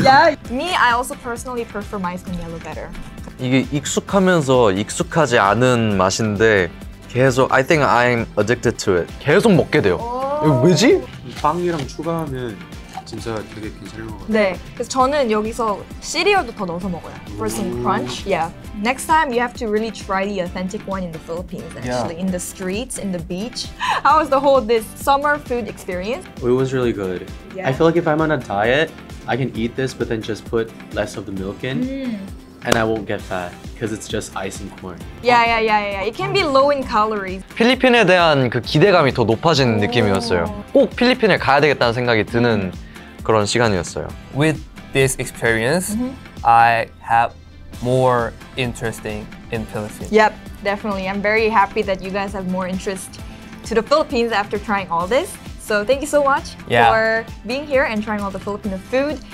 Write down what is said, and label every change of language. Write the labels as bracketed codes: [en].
[en] Yeah. Me, I also personally prefer maiz con hielo better. [ko] 이게 익숙하면서 익숙하지 않은 맛인데 계속 [en] I think I'm addicted to it. [ko] 계속 먹게 돼요. 왜지? 빵이랑 추가하면 진짜 되게 괜찮은 것 같아요. 네. 그래서 저는 여기서 시리얼도 더 넣어서 먹어요. [en] For some crunch. Yeah. Next time, you have to really try the authentic one in the Philippines, actually. Yeah. In the streets, in the beach. How was the whole this summer food experience? It was really good. Yeah. I feel like if I'm on a diet, I can eat this, but then just put less of the milk in. And I won't get fat, because it's just ice and corn. Yeah. It can be low in calories. [ko] 필리핀에 대한 그 기대감이 더 높아지는 느낌이었어요. 꼭 필리핀에 가야 되겠다는 생각이 드는 그런 시간이었어요. [en] With this experience, I have more interesting in Philippines. Yep, definitely. I'm very happy that you guys have more interest to the Philippines after trying all this. So thank you so much for being here and trying all the Filipino food.